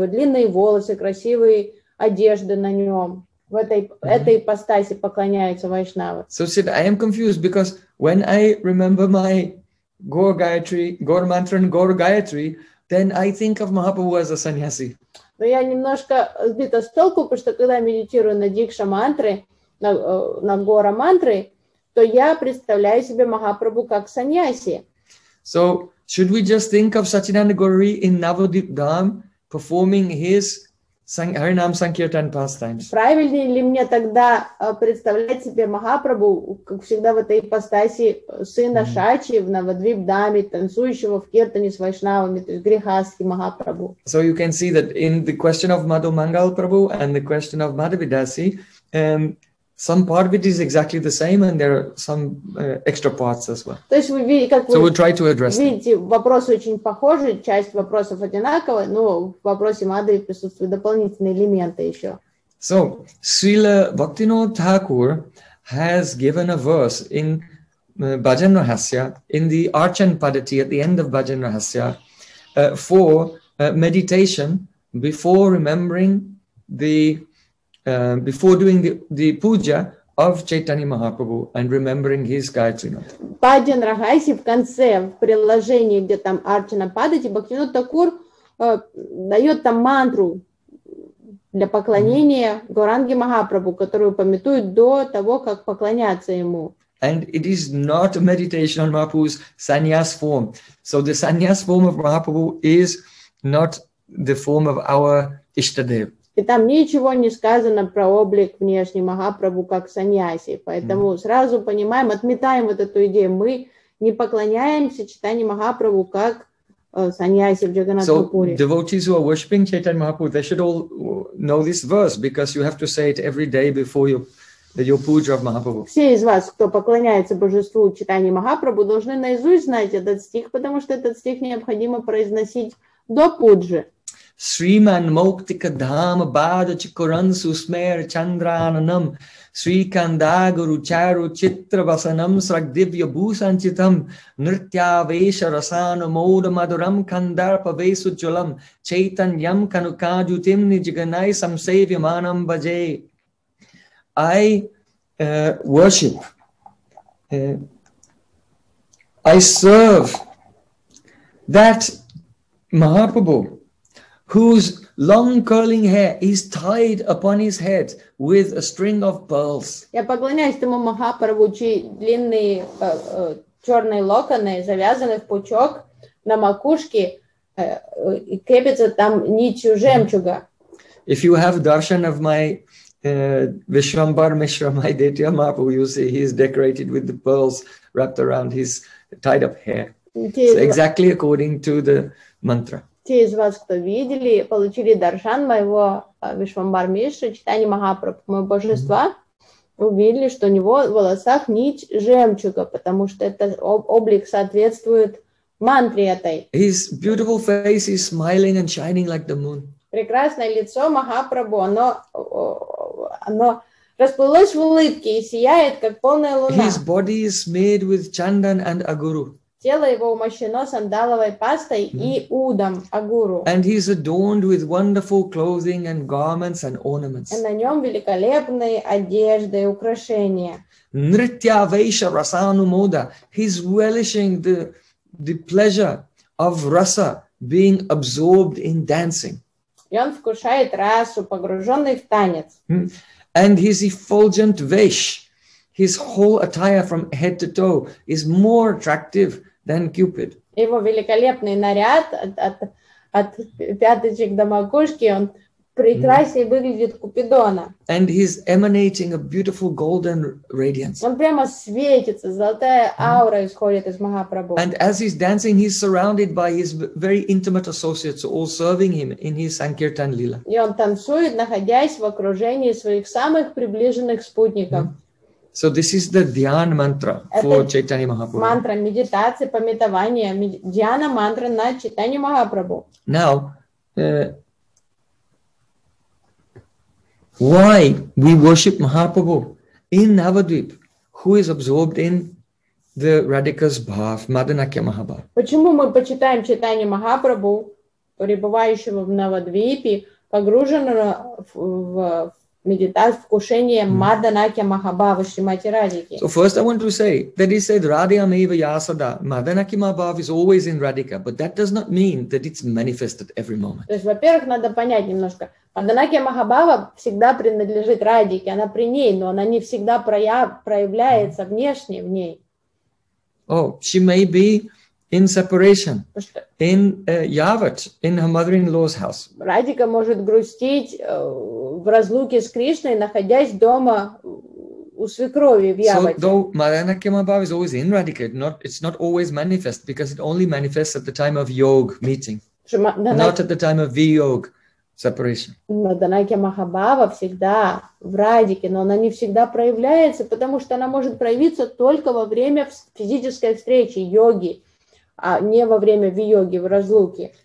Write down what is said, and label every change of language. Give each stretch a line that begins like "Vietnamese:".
Russian: У него длинные волосы, красивые одежды на нем. В этой, этой ипостаси поклоняются Вайшнавы.
English: So, Sid, I am confused because when I remember my Gaur Gayatri, Gaur Mantra and Gaur Gayatri, then I think of Mahaprabhu as a sannyasi.
Russian: Но я немножко сбита с толку, потому что когда я медитирую на дикша мантры, на гора мантры, то я представляю себе Махапрабху как саньяси.
English: So should we just think of Sachinanda Gauri in Navadvip Dham performing his Harinam Sankirtan pastimes?
Russian: Правильнее ли мне тогда представлять себе Махапрабху, как всегда в этой ипостаси сына Шачи в Навадвип Даме, танцующего в киртане с вайшнавами, то есть грихастхи Махапрабху?
English: So you can see that in the question of Мадхумангал Прабху and the question of Madhavi Dasi, some part of it is exactly the same, and there are some extra parts as well.
Russian: То есть вы видите, как
English: so we'll try to address them.
Russian: Видите, вопросы очень похожи, часть вопросов одинаковые, но в вопросе Мадхави присутствуют дополнительные элементы еще.
English: So, Srila Bhaktivinoda Thakur has given a verse in Bhajan Rahasya, in the Archan Padati at the end of Bhajan Rahasya, for meditation before remembering the before doing the puja of Chaitanya Mahaprabhu and remembering his Gayatri Mantra.
Russian: Bhajan Rahasya в конце, в приложении, где там Archana Padati, Bhaktivinoda Thakur дает там мантру для поклонения Гуранге Махапрабху, которую памятуют до того, как поклоняться ему.
English: And it is not a meditation on Mahaprabhu's sannyas form. So the sannyas form of Mahaprabhu is not the form of our Ishtadev.
Russian: И там ничего не сказано про облик внешний Махапрабху как саньяси. Поэтому сразу понимаем, отметаем вот эту идею. Мы не поклоняемся Чайтанье Махапрабху как саньяси в Джаганатхапуре.
English: So devotees who are worshipping Chaitanya Mahaprabhu, they should all know this verse because you have to say it every day before your puja of Mahaprabhu.
Russian: Все из вас, кто поклоняется божеству Чайтанье Махапрабху, должны наизусть знать этот стих, потому что этот стих необходимо произносить до пуджи.
Sanskrit: Sriman Moktika Dhamma Bada Chikuransu Smer Chandrananam Srikandaguru Charu Chitra Vasanam Sragdivya Bhusanchitam Nritya Vesha Rasana Moda Maduram Kandarpa Vesu Chulam Chaitanyam Kanukaju Timni Jiganai Sam Savyamanam Bhaje.
English: I worship. I serve that Mahaprabhu whose long curling hair is tied upon his head with a string of pearls.
Russian: Я поклоняюсь тому Махапрабху, чьи длинные черные локоны завязаны в пучок на макушке, и крепятся там нитью жемчуга.
English: If you have darshan of my Vishwambar Mishra, my Ditya Mahaprabhu, you see he is decorated with the pearls wrapped around his tied up hair. So exactly according to the mantra.
Russian: Те из вас, кто видели, получили даршан моего Вишвамбар Мишра, Чайтанья Махапрабху, моего божества, увидели, что у него в волосах нить жемчуга, потому что этот облик соответствует мантре этой.
English: His beautiful face is smiling and shining like the moon.
Russian: Прекрасное лицо Махапрабху, оно расплылось в улыбке и сияет, как полная луна.
English: His body is made with chandan and aguru.
Russian: Тело его умощено сандаловой пастой и удом, агуру.
English: And he is adorned with wonderful clothing and garments and ornaments.
Russian: И на нем великолепные одежды и украшения.
Sanskrit: Нритья вейша расану мода.
English: He's relishing the pleasure of rasa being absorbed in dancing.
Russian: И он вкушает расу, погруженный в танец.
English: And his effulgent vesh, his whole attire from head to toe, is more attractive than Cupid.
Russian: Его великолепный наряд от пяточек до макушки, он прекрасней выглядит Купидона.
English: And he's emanating a beautiful golden radiance.
Russian: Он прямо светится, золотая аура исходит из Махапрабху.
English: And as he's dancing, he's surrounded by his very intimate associates, all serving him in his Sankirtan Lila.
Russian: И он танцует, находясь в окружении своих самых приближенных спутников.
English: So this is the Dhyan mantra for Chaitanya Mahaprabhu.
Russian: Мантра медитации, памятования, Дхьяна мантра на Чайтанье Махапрабху.
English: Now, why we worship Mahaprabhu in Navadvip, who is absorbed in the Radhika's bhav, Madanakya Mahabhav?
Russian: Почему мы почитаем Чайтанье Махапрабху, пребывающего в Навадвипе, погруженного в медитация, вкушение Маданакья Махабхавы, Шримати Радики.
English: So first I want to say that he said
Sanskrit: Radhyam Eva Yasada,
English: Маданакья Махабхава is always in Radhika, but that does not mean that it's manifested every moment.
Russian: То есть, во-первых, надо понять немножко. Маданакья Махабхава всегда принадлежит Радике, она при ней, но она не всегда проявляется внешне в ней.
English: Oh, she may be in separation, in Yavat, in her mother-in-law's house.
Russian: Радика может грустить в разлуке с Кришной, находясь дома у свекрови в Яват.
English: So though Madanakya Mahabhava is always in Radhika, it's not always manifest because it only manifests at the time of yog meeting, not at the time of viyog separation.
Russian: Madanakya Mahabhava всегда в Радике, но она не всегда проявляется, потому что она может проявиться только во время физической встречи йоги, а не во время виоги, в разлуке.